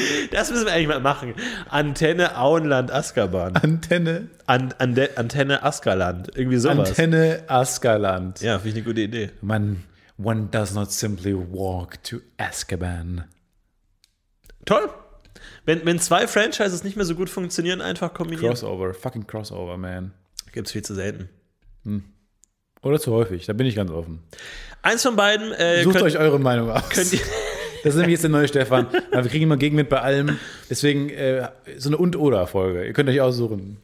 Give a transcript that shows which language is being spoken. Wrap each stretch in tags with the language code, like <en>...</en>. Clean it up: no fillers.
<de>Das müssen wir eigentlich mal machen. Antenne Auenland Azkaban. Antenne? Antenne Azkaland. Irgendwie sowas. Antenne Azkaland. Ja, finde ich eine gute Idee.</de> <en>One does not simply walk to Azkaban.</en> <de>Toll. Wenn zwei Franchises nicht mehr so gut funktionieren, einfach kombinieren.</de> <en>Crossover. Fucking Crossover, man.</en> <de>Gibt's viel zu selten. Oder zu häufig. Da bin ich ganz offen. Eins von beiden. Sucht euch eure Meinung aus. Das ist nämlich jetzt der neue Stefan. Wir kriegen immer Gegenwind bei allem. Deswegen so eine Und-Oder-Folge. Ihr könnt euch aussuchen.</de>